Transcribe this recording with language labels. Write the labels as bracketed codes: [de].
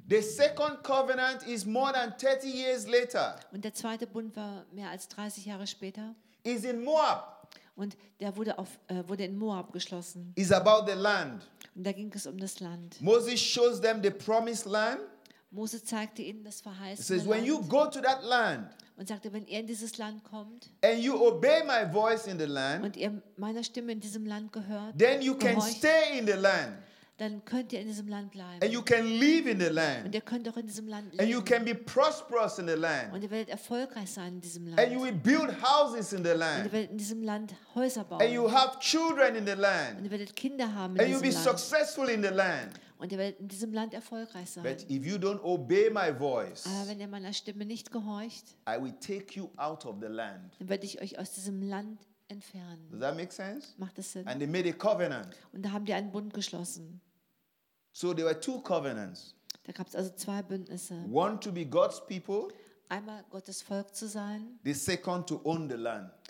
[en] The second covenant is more than 30 years later. [de] Und der zweite Bund war mehr als 30 Jahre später. [en] Is in Moab. [de] Und der wurde wurde in Moab geschlossen. [en] Is about the land. [de] Und da ging es um das Land. [en] Moses shows them the promised land. [de] Mose zeigte ihnen das verheißene [en] Land. When you go to that land, [de] und sagte, wenn ihr in dieses Land kommt, [en] and you obey my voice in the land, [de] und ihr meiner Stimme in diesem Land gehört, [en] then you can stay in the land. [de] Dann könnt ihr in diesem Land bleiben. [en] And you can live in the land. [de] Und ihr könnt auch in diesem Land leben. [en] And you can be prosperous in the land. [de] Und ihr werdet erfolgreich sein in diesem Land. [en] And you will build houses in the land. [de] Und ihr werdet in diesem Land Häuser bauen. [en] And you have children in the land. [de] Und ihr werdet Kinder haben in diesem Land. [en] And you will be successful in the land. [de] Und ihr werdet in diesem Land erfolgreich sein. [en] But if you don't obey my voice, [de] aber wenn ihr meiner Stimme nicht gehorcht, [en] I will take you out of the land. [de] Dann werde ich euch aus diesem Land entfernen. [en] Does that make sense? [de] Macht das Sinn? [en] And they made a covenant. [de] Und da haben die einen Bund geschlossen. [en] So there were two covenants. [de] Da gab es also zwei Bündnisse. [en] One to be God's people. [de] Einmal Gottes Volk zu sein. [en] The second to own the land.